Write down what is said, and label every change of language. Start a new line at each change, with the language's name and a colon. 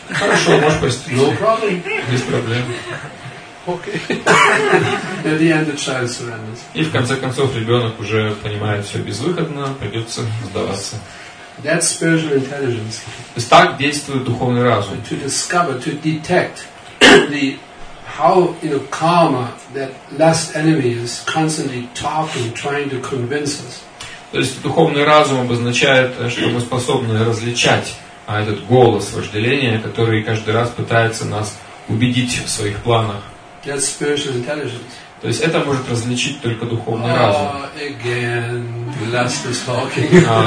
Russian: Хорошо, можешь поститься.
English: No problem.
Russian: Без проблем.
English: Okay. At the end, the child surrenders.
Russian: И в конце концов ребенок уже понимает, все безвыходно, придется сдаваться.
English: That's spiritual intelligence.
Russian: То есть так действует духовный разум.
English: To discover, to detect the how you know karma that last enemy is constantly talking, trying to convince us.
Russian: То есть духовный разум обозначает, что мы способны различать этот голос вожделения, который каждый раз пытается нас убедить в своих планах.
English: That's spiritual intelligence.
Russian: То есть это может различить только духовный разум.
English: Again, the last is talking.